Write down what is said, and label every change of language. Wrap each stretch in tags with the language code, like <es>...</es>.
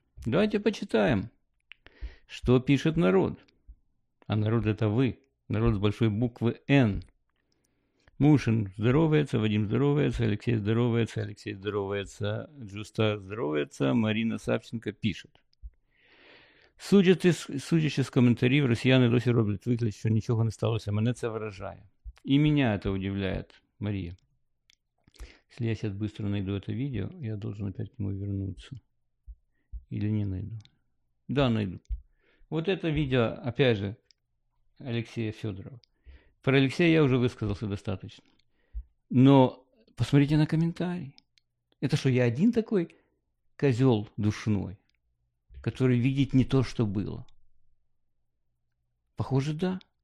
<ru>Давайте почитаем, что пишет народ. А народ это вы, народ с большой буквы Н. Мушин здоровается, Вадим здоровается, Алексей здоровается, Алексей здоровается, Джуста здоровается, Марина Савченко пишет.</ru> <uk>Судячи з коментарів, росіяни досі роблять вигляд, що нічого не сталося. Мене це вражає. І мене це удивляє, Марія. Якщо я зараз швидко знайду це відео, я повинен</uk> <ru>опять к нему</ru> <uk>вернутися.</uk> <ru>Или не найду? Да, найду. Вот это видео, опять же, Алексея Федорова. Про Алексея я уже высказался достаточно. Но посмотрите на комментарии. Это что, я один такой козел душной, который видит не то, что было? Похоже, да.</ru>